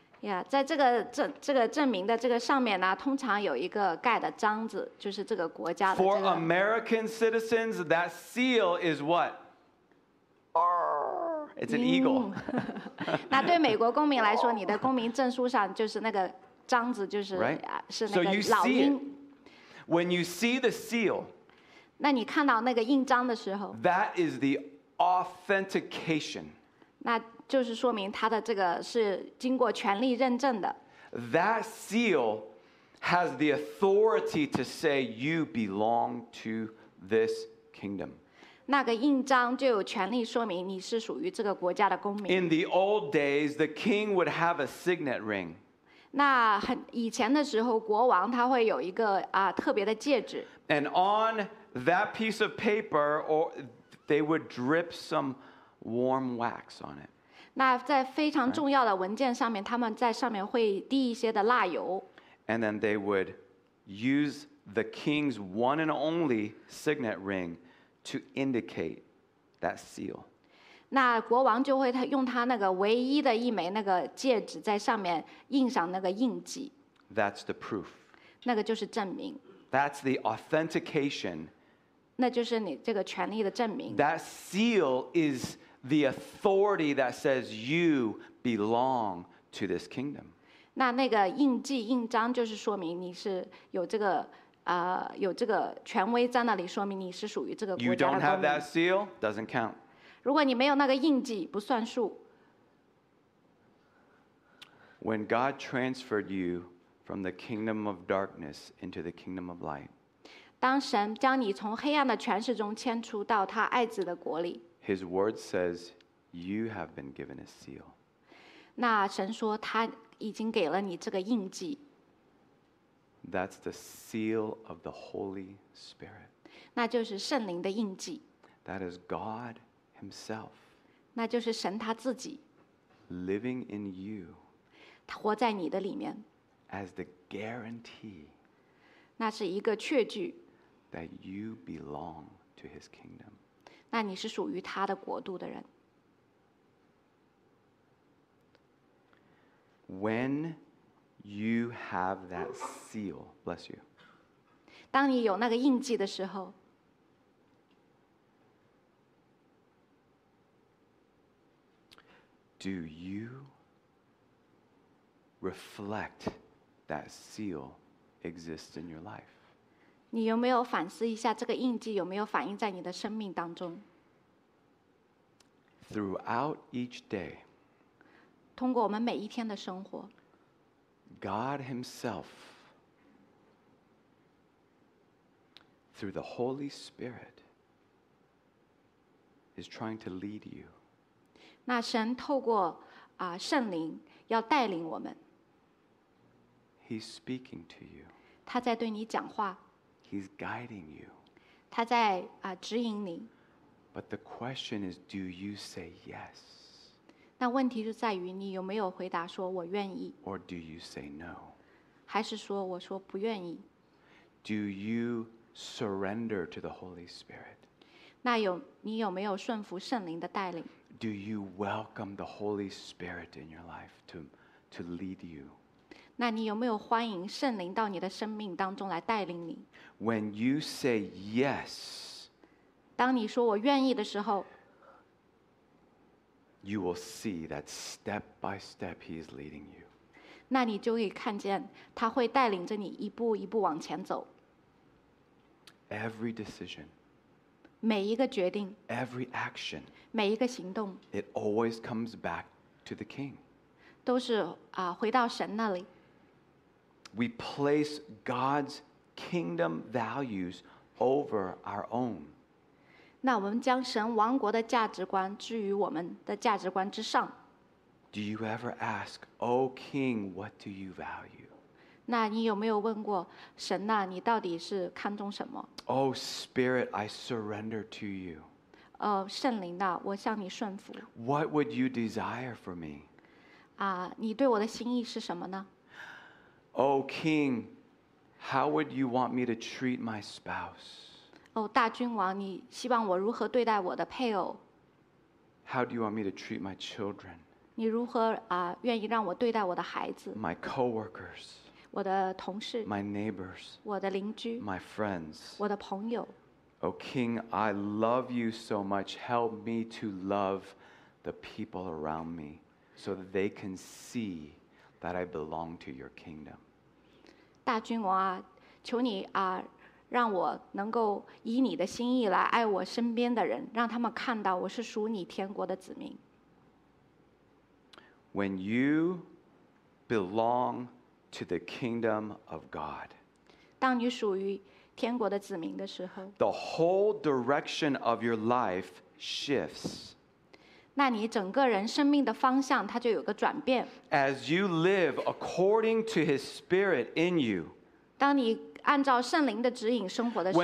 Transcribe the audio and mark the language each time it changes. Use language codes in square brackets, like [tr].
[zh] Yeah, 在这个证明的这个上面呢，通常有一个盖的章子，就是这个国家的、这个。 [en] For American citizens, that seal is what? It's an eagle. [zh] 那对美国公民来说，你的公民证书上就是那个章子，就是、 [en] right? [zh] 是那个老鹰。 [en] So you see it. When you see the seal. [zh] 那你看到那个印章的时候 [en] ，That is the authentication. [zh] 那就是说明他的这个是经过权力认证的。 [en] That seal has the authority to say you belong to this kingdom. [zh] 那个印章就有权利说明你是属于这个国家的公民。 [en] In the old days, the king would have a signet ring. [zh] 那很以前的时候，国王他会有一个特别的戒指。 [en] And on that piece of paper, or they would drip some warm wax on it. [zh] 那在非常重要的文件上面，他们在上面会滴一些的蜡油。 [en] And then they would use the king's one and only signet ring. To indicate that seal. [zh] 那国王就会用他那个唯一的一枚那个戒指在上面印上那个印记。 [en] That's the proof. [zh] 那个就是证明。 [en] That's the authentication. [zh] 那就是你这个权力的证明。 [en] That seal is the authority that says you belong to this kingdom. [zh] 那那个印记印章就是说明你是有这个。有这个权威在那里，说明你是属于这个国家的公民。 [en] You don't have that seal, doesn't count. [zh] 如果你没有那个印记，不算数。 [en] When God transferred you from the kingdom of darkness into the kingdom of light, [zh] 当神将你从黑暗的权势中迁出到他爱子的国里 [en] ，His word says you have been given a seal. [zh] 那神说他已经给了你这个印记。 [en] That's the seal of the Holy Spirit. [zh] 那就是圣灵的印记。 [en] That is God Himself. [zh] 那就是神他自己。 [en] Living in you. [zh] 他活在你的里面。 [en] As the guarantee. [zh] 那是一个确据。 [en] That you belong to His kingdom. [zh] 那你是属于他的国度的人。 [en] When. You have that seal. Bless you. [zh] 当你有那个印记的时候 [en] Do you reflect that seal exists in your life? [zh] 你有没有反思一下这个印记有没有反映在你的生命当中 [en] Throughout each day, [zh] 通过我们每一天的生活 [en] God Himself, through the Holy Spirit, is trying to lead you. [zh] 那神透过圣灵要带领我们。 [en] He's speaking to you. [zh] 他在对你讲话。 [en] He's guiding you. [zh] 他在指引你。 [en] But the question is, do you say yes? [zh] 那问题就在于你有没有回答说我愿意 [en] Or do you say no? [zh] 还是说我说不愿意 [en] Do you surrender to the Holy Spirit? [zh] 那你有没有顺服圣灵的带领 [en] Do you welcome the Holy Spirit in your life to lead you? [zh] 那你有没有欢迎圣灵到你的生命当中来带领你 [en] When you say yes, [zh] 当你说我愿意的时候 [en] You will see that step by step he is leading you. [zh] 那你就会看见他会带领着你一步一步往前走。 [en] Every decision. [zh] 每一个决定。 [en] Every action. [zh] 每一个行动。 [en] It always comes back to the king. [zh] 都是回到神那里。 [en] We place God's kingdom values over our own. [zh] 那我们将神王国的价值观置于我们的价值观之上。 [en] Do you ever ask, O King, what do you value? [zh] 那你有没有问过神呐？你到底是看重什么 [en] ？O Spirit, I surrender to you. [zh] 圣灵呐，我向你顺服。 [en] What would you desire for me? [zh] 你对我的心意是什么呢 [en] ？O King, how would you want me to treat my spouse? [zh] 大君王，你希望我如何对待我的配偶 [en] ？How do you want me to treat my children？ [zh] 你如何愿意让我对待我的孩子 [en] ？My coworkers， [zh] 我的同事 [en] ；My neighbors， [zh] 我的邻居 [en] ；My friends， [zh] 我的朋友 [en] ；Oh King， I love you so much. Help me to love the people around me so that they can see that I belong to your kingdom。 [zh] 大君王啊，求你啊。让我能够以你的心意来爱我身边的人，让他们看到我是属你天国的子民。 [en] When you belong to the kingdom of God, [zh] 当你属于天国的子民的时候， [en] the whole direction of your life shifts. [zh] 那你整个人生命的方向它就有个转变。 [en] As you live according to His Spirit in you, [zh] 当你按照圣灵的指引生活的时候，